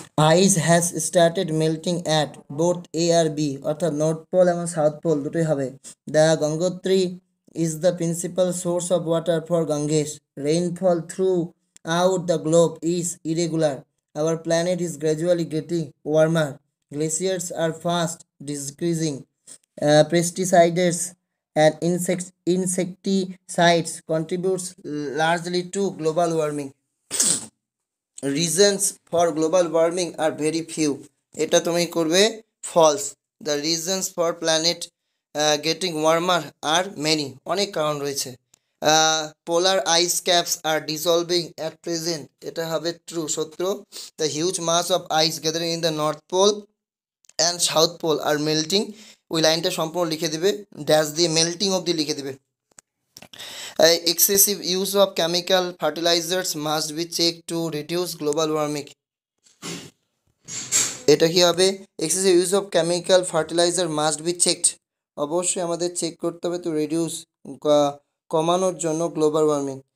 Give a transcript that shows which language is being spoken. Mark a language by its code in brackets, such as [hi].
[en] ice has started melting at both A আর B, [bn] অর্থাৎ north pole এবং south pole দুটোই হবে। [en] The Gangotri is the principal source of water for Ganges. Rainfall throughout the globe is irregular. Our planet is gradually getting warmer. Glaciers are fast decreasing. Pesticides and insecticides contributes largely to global warming. Reasons for global warming are very few. [bn] Eta tumi korbe [en] false. The reasons for planet getting warmer are many. [bn] Onek karon royeche. [en] Polar ice caps are dissolving at present. [bn] Eta hobe [en] true. Shotro, the huge mass of ice gathering in the north pole and south pole are melting. [bn] ওই লাইনটা সম্পূর্ণ লিখে দেবে, [en] Dash দিয়ে melting অবধি লিখে দেবে। Excessive use of chemical fertilisers must be check to reduce global warming. [bn] এটা কী হবে? [en] excessive use of chemical fertiliser must be checked, [bn] অবশ্যই আমাদের চেক করতে হবে [en] to reduce, [bn] কমানোর জন্য গ্লোবাল ওয়ার্মিং।